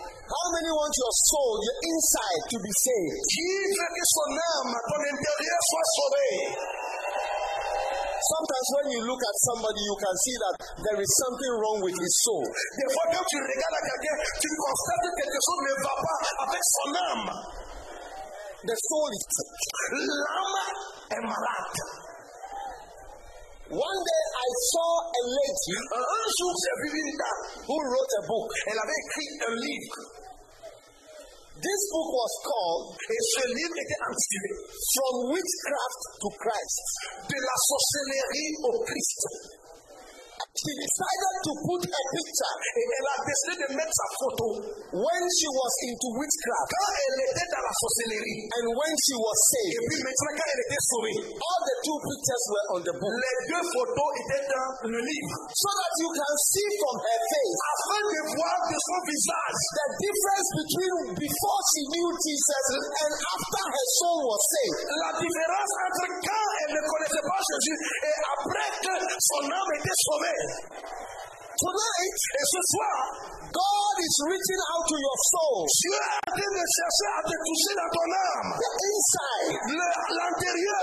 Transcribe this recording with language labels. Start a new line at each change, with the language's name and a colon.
English: How many want your soul, your inside, to be saved?
French: Qui veut que son âme, ton intérieur soit sauvé?
English: Sometimes when you look at somebody, you can see that there is something wrong with his soul.
French: Des fois, quand tu regardes quelqu'un, tu constates que quelque chose ne va pas avec son âme.
English: The soul is sick.
French: L'âme est malade.
English: One day I saw a lady.
French: Un jour, j'ai vu une dame
English: who wrote a book.
French: Elle avait écrit un livre.
English: This book was called,
French: et ce livre était intitulé,
English: From Witchcraft to Christ.
French: De la sorcellerie au Christ.
English: She decided to put a picture.
French: Et elle a décidé de mettre sa photo.
English: When she was into witchcraft.
French: Quand elle était dans la sorcellerie.
English: And when she was saved.
French: Et puis maintenant quand elle était sauvée.
English: All the two pictures were on the book.
French: Les deux photos étaient dans le livre.
English: So that you can see from her face.
French: Afin de voir de son visage.
English: The difference between before she knew Jesus and after her soul was saved.
French: La différence entre quand elle ne connaissait pas Jésus et après que son âme était sauvée.
English: Tonight,
French: et ce soir,
English: God is reaching out to your soul.
French: Dieu est en train de chercher à te toucher dans ton âme.
English: The inside,
French: l'intérieur.